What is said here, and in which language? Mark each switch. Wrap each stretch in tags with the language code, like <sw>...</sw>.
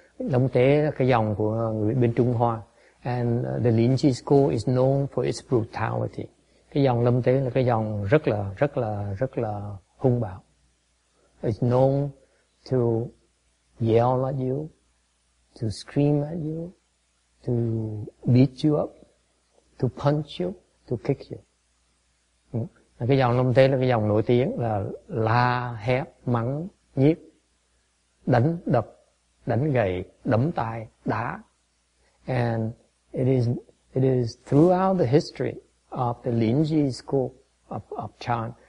<vi>Lâm Tế là cái dòng của người bên Trung Hoa.</vi> <en>And the Linji school is known for its brutality.</en> <vi>Cái dòng Lâm Tế là cái dòng rất là hung bạo.</vi> <en>It's known to yell at you, to scream at you, to beat you up, to punch you, to kick you.</en> <vi>Cái dòng Lâm Tế là cái dòng nổi tiếng là la, hét, mắng, nhiếc, đánh, đập, đánh gậy, đấm tai, đá.</vi> <en>And it is throughout the history of the Linji school of Chan.</en>